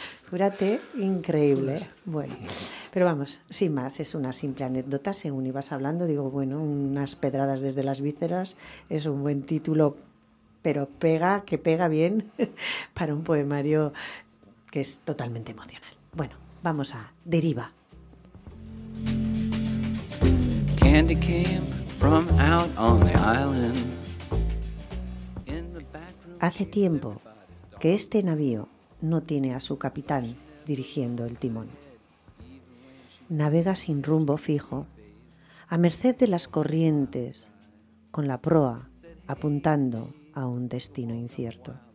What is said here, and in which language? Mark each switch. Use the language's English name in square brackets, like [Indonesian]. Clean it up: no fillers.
[Spanish] Júrate, increíble. Bueno, pero vamos, sin más, es una simple anécdota. Según ibas hablando, digo, bueno, unas pedradas desde las vísceras es un buen título, pero pega, que pega bien para un poemario que es totalmente emocional. Bueno, vamos a Deriva. [English] Candy came from out on the island. [Spanish] Hace tiempo que este navío no tiene a su capitán dirigiendo el timón. Navega sin rumbo fijo, a merced de las corrientes, con la proa apuntando a un destino incierto.